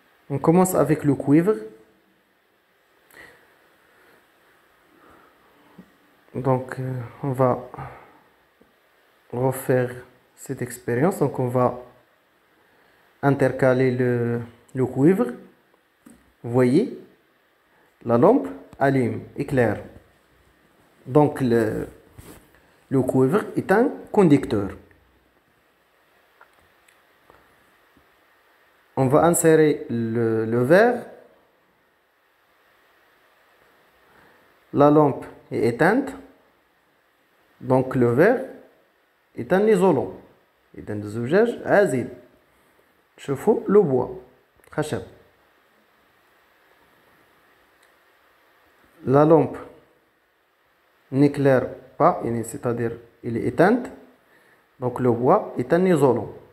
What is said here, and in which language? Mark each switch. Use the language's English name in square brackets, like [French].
[French] اون كومونس افيك لو كويفر. دونك اون فا غوفير cette expérience. Donc on va intercaler le cuivre. Vous voyez la lampe allume, éclaire. Donc le cuivre est un conducteur. On va insérer le verre. La lampe est éteinte. Donc le verre est un isolant. [Arabic] إذن الزجاج عازل. شوفوا [French] لو بوا [Arabic] خشب. [French] La lampe n'éclaire pas, c'est-à-dire il est éteinte. Donc le bois est un isolant.